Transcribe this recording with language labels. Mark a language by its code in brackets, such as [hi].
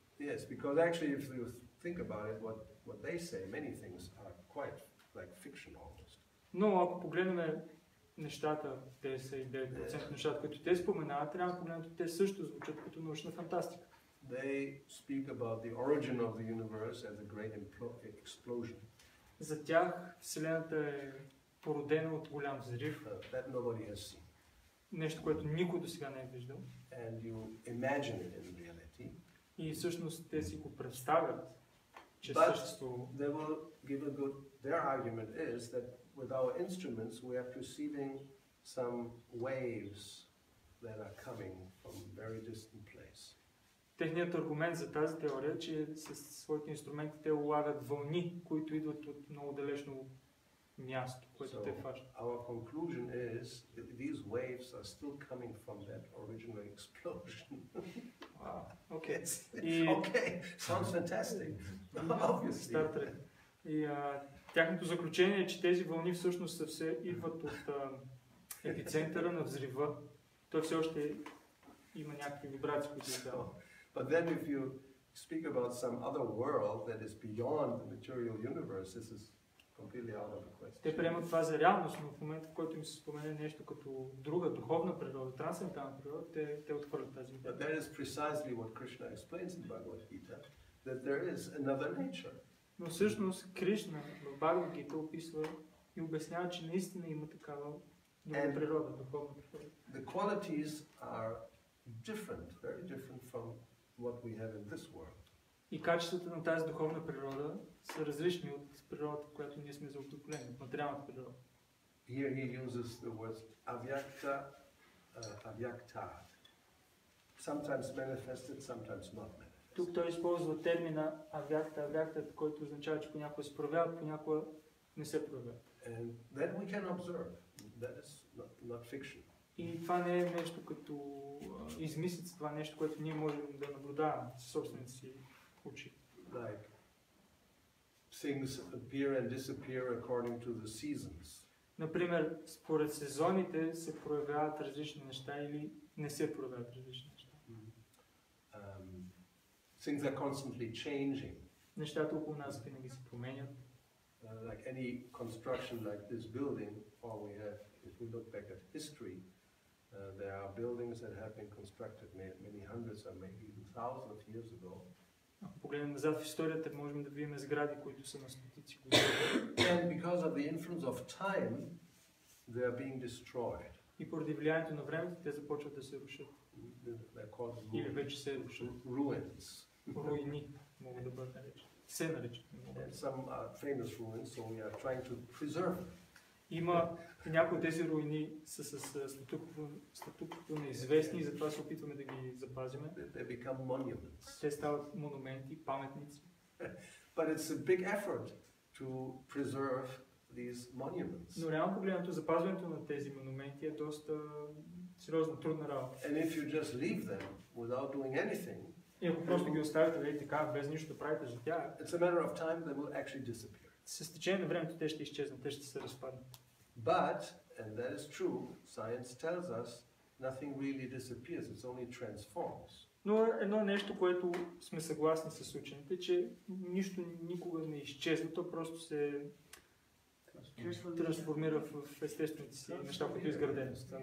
[en] Yes, because actually if you think about it, what they say, many things are quite like fiction almost. [bg] Но ако погледнем нещата, те са и 9% нещата, които те споменават, трябва да погледнем, те също звучат като научна фантастика. [en] They speak about the origin of the universe as a great explosion. [bg] За тях Вселената е породена от голям взрив. [en] That nobody has seen. [bg] Нещо, което никой до сега не е виждал. [en] And you imagine it in reality. [bg] И всъщност те си го представят, че съществува. [en] They will give a good, their argument is that with our instruments, we are perceiving some waves that are coming from a very distant place. [bg] Техният аргумент за тази теория, че със своите инструменти те улавят вълни, които идват от много далечно място, което те фащат. [en] Our conclusion is that these waves are still coming from that original explosion. Wow. Okay. Sounds fantastic. Obviously. [bg] И тяхното заключение е, че тези вълни всъщност са все идват от епицентъра на взрива. Той все още има някакви вибрации, които издава. [en] But then if you speak about some other world that is beyond the material universe, this is completely out of the question. [bg] Те приемат това за реалност, но в момента, в който ми се спомене нещо като друга духовна природа, трансцендентална природа, те отхвърлят тази идея. [en] But that is precisely what Krishna explains in Bhagavad Gita, that there is another nature. [bg] Но всъщност Кришна в Бхагавад Гита описва и обяснява, че наистина има такава друга природа, духовна природа. [en] The qualities are different, very different from what we have in this world. [bg] И качествата на тази духовна природа са различни от природата, в която ние сме заобиколени, от материалната природа. [en] Here he uses the words avyakta, avyakta. Sometimes manifested, sometimes not manifested. [bg] Тук той използва термина avyakta, avyakta, който означава, че понякога се проявява, понякога не се проявява. [en] And that we can observe. That is not fiction. [bg] И това не е нещо като измислица, това нещо, което ние можем да наблюдаваме със собствените си очи. [en] Like things appear and disappear according to the seasons. [bg] Например, според сезоните се проявяват различни неща или не се проявяват различни неща. Mm-hmm. [en] Things are constantly changing. [bg] Нещата около нас винаги се променят. [en] Like any construction like this building, all we have, if we look back at history, there are buildings that have been constructed many hundreds or maybe even thousands of years ago. [bg] Ако погледнем назад в историята, можем да видим сгради, които са на стотици години. [en] Because of the influence of time, they are being destroyed. [bg] И поради влиянието на времето, те започват да се рушат. [en] They're called ruins. [bg] Или вече се рушат. [en] Ruins. [bg] Руини, могат да бъдат наречени. Се наречат. [en] Some are famous ruins, so we are trying to preserve them. [bg] Има някои от тези руини са с статуквото неизвестни и затова се опитваме да ги запазиме. [en] They become monuments. [bg] Те стават монументи, паметници. [en] But it's a big effort to preserve these monuments. [bg] Но реално погледнато запазването на тези монументи е доста сериозна, трудна работа. [en] And if you just leave them without doing anything, [bg] и ако просто ги оставите, ведете така, без нищо да правите за тях, [en] it's a matter of time they will actually disappear. [bg] С течение на времето те ще изчезнат, те ще се разпаднат. [en] But, and that is true, science tells us, nothing really disappears, it's only transforms. [bg] Но едно нещо, което сме съгласни с учените, че нищо никога не изчезва, то просто се трансформира в естествените си неща, които е изградено.